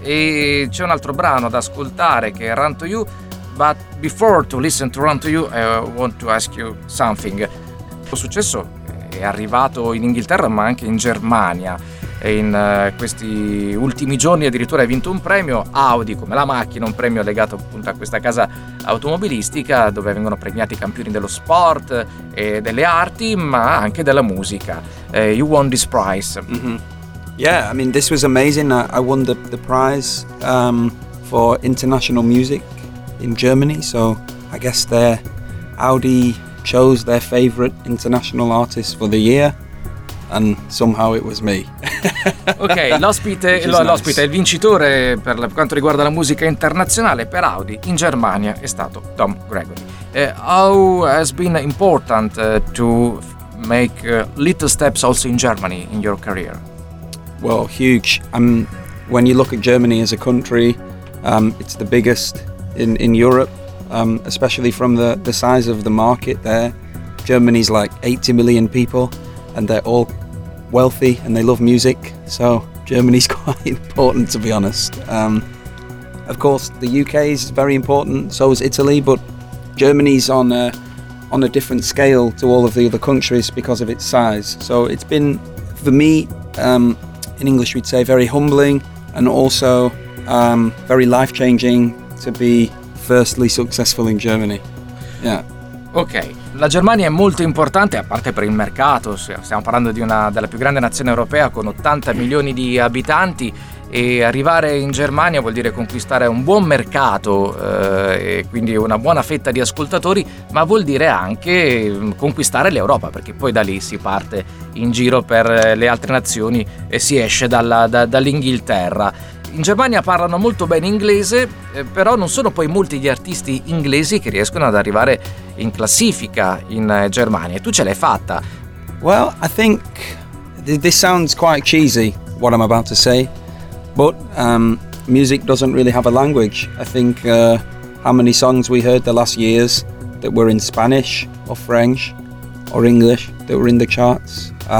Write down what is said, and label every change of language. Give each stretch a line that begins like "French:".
Italian: E c'è un altro brano da ascoltare che è Run To You,
English: but before to listen to Run To You I want to ask you something.
Italian: Il tuo successo è arrivato in Inghilterra ma anche in Germania. e in questi ultimi giorni addirittura hai vinto un premio Audi come la macchina, un premio legato appunto a questa casa automobilistica dove vengono premiati i campioni dello sport e delle arti, ma anche della musica.
English: You won this prize. Mm-hmm. Yeah, I mean this was amazing. I won the prize for international music in Germany, so I guess there Audi chose their favorite international artist for the year and somehow it was me.
Italian: Ok, l'ospite, il vincitore per quanto riguarda la musica internazionale per Audi in Germania è stato Tom Gregory.
English: How has been important to make little steps also in Germany in your career? Well, huge. When you look at Germany as a country, it's the biggest in Europe. Especially from the size of the market there. Germany's like 80 million people and they're all wealthy and they love music, so Germany's quite important, to be honest. Of course the UK is very important, so is Italy, but Germany's on a different scale to all of the other countries because of its size. So it's been, for me, in English we'd say very humbling and also very life-changing to be firstly successful in Germany. Yeah.
Italian: Ok, la Germania è molto importante, a parte per il mercato, stiamo parlando di una della più grande nazione europea con 80 milioni di abitanti, e arrivare in Germania vuol dire conquistare un buon mercato e quindi una buona fetta di ascoltatori, ma vuol dire anche conquistare l'Europa, perché poi da lì si parte in giro per le altre nazioni e si esce dall'Inghilterra. In Germania parlano molto bene inglese, però non sono poi molti gli artisti inglesi che riescono ad arrivare in classifica in Germania. Tu ce l'hai fatta.
English: Well, I think this sounds quite cheesy what I'm about to say, but music doesn't really have a language. I think how many songs we heard the last years that were in Spanish or French or English that were in the charts.